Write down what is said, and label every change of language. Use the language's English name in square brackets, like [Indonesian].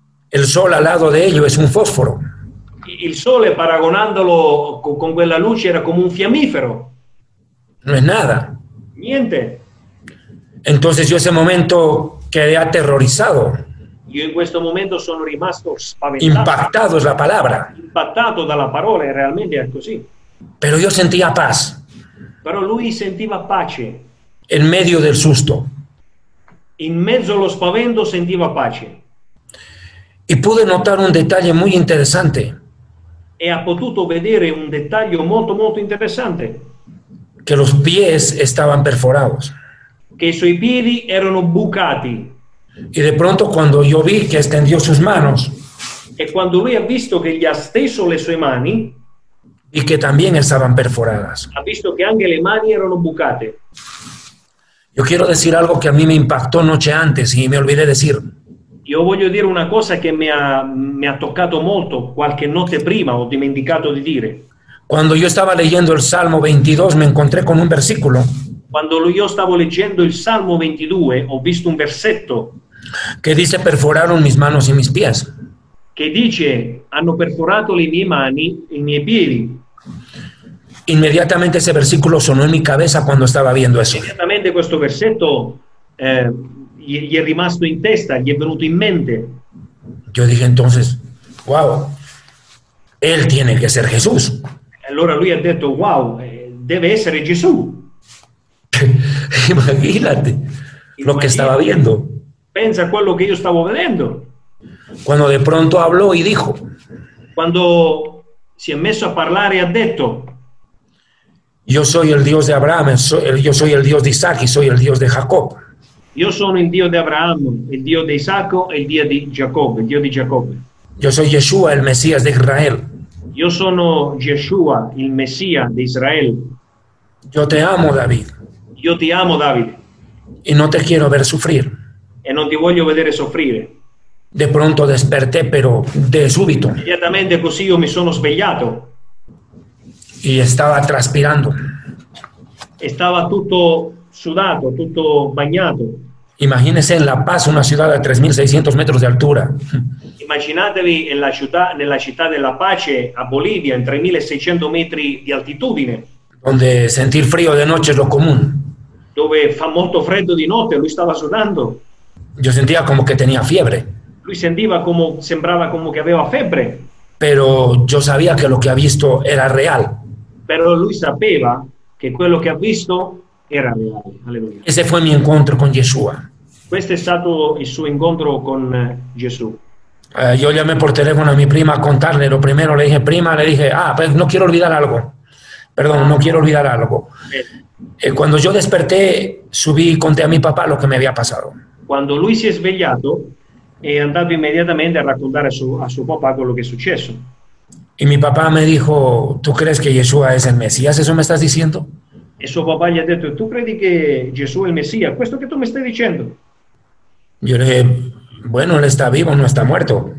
[Spanish] El sol al lado de ello es un fósforo. [Italian] El sol, paragonándolo con quella luce, era como un fiammifero. [Spanish] No es nada. [Italian] Niente. [Spanish] Entonces yo ese momento quedé aterrorizado. [Italian] Yo en questo momento sono rimasto spaventato. [Spanish] Impactado es la palabra. Impactado [Italian] dalla parola, [Spanish] realmente es así. Pero yo sentía paz. [Italian] Pero lui sentiva pace. [Spanish] En medio del susto. [Italian] In mezzo allo spavento sentiva pace. [Spanish] Y pude notar un detalle muy interesante. [Italian] E ha potuto vedere un dettaglio molto molto interessante. [Spanish] Que los pies estaban perforados. [Italian] Che i suoi piedi erano bucati. [Spanish] Y de pronto cuando yo vi que extendió sus manos. [Italian] E quando lui ha visto che gli ha steso le sue mani. [Spanish] Y que también estaban perforadas. [Italian] Ha visto che anche le mani erano bucate. [Spanish] Yo quiero decir algo que a mí me impactó noche antes y me olvidé decir. [Italian] Io voglio dire una cosa che mi ha toccato molto qualche notte prima, ho dimenticato di dire. Quando io stavo leggendo il Salmo 22, mi incontrei con un versicolo. Quando io stavo leggendo il Salmo 22, ho visto un versetto. [Spanish] Che dice, perforaron mis manos y mis pies. [Italian] Che dice, hanno perforato le mie mani e i miei piedi. [Spanish] Inmediatamente ese versículo sonó en mi cabeza cuando estaba viendo eso. [Italian] Inmediatamente questo versetto... gli è rimasto in testa, gli è venuto in mente. [Spanish] Yo dije entonces, wow, él tiene que ser Jesús. [Italian] Allora lui ha detto, wow, deve essere Gesù. [Spanish] Imagínate lo que estaba viendo. [Italian] Pensa a quello che io stavo vedendo. [Spanish] Cuando de pronto habló y dijo. [Italian] Quando si è messo a parlare ha detto. [Spanish] Yo soy el Dios de Abraham, yo soy el Dios de Isaac y soy el Dios de Jacob. [Italian] Io sono il Dio di Abramo, il Dio di Isacco e il Dio di Giacobbe, il Dio di Giacobbe. Io sono Yeshua, il Messias di Israele. Io sono Yeshua, il Messia di Israele. Io te amo, David. Io ti amo, David. E non [Spanish] te quiero [Italian] ver soffrire. E non ti voglio vedere soffrire. [Spanish] De pronto desperté, pero [Italian] de subito. Immediatamente così io mi sono svegliato. [Spanish] Y estaba transpirando. Estaba [Italian] tutto sudato, tutto bagnato. [Spanish] Imagínese en La Paz, una ciudad a 3.600 metros de altura. [Italian] Immaginatevi nella città della pace a Bolivia, in 3.600 metri di altitudine. [Spanish] donde sentir frío de noche es lo común. [Italian] Dove fa molto freddo di notte, lui stava sudando. [Spanish] Yo sentía como que tenía fiebre. [Italian] Lui sentiva como, sembrava como que aveva febbre. [Spanish] Pero yo sabía que lo que ha visto era real. [Italian] Pero lui sapeva che quello che ha visto era reale. Alleluia. [Spanish] Ese fue mi encuentro con Yeshua. [Italian] Questo è stato il suo incontro con Gesù. [Spanish] Yo llamé por teléfono a mi prima a contarle. Lo primero le dije, prima, le dije, ah, pues no quiero olvidar algo. Perdón, no quiero olvidar algo. Cuando yo desperté, subí y conté a mi papá lo que me había pasado. [Italian] Cuando lui si è svegliato, è andato immediatamente a raccontare a suo papà quello che è successo. [Spanish] Y mi papá me dijo, ¿tú crees que Yeshua es el Mesías? ¿Eso me estás diciendo? [Italian] E suo papà gli ha detto, [Spanish] ¿tú crees que Jesús es el Mesías? [Italian] ¿Questo [Spanish] que tú me estás diciendo? Yo le dije, bueno, él está vivo, no está muerto.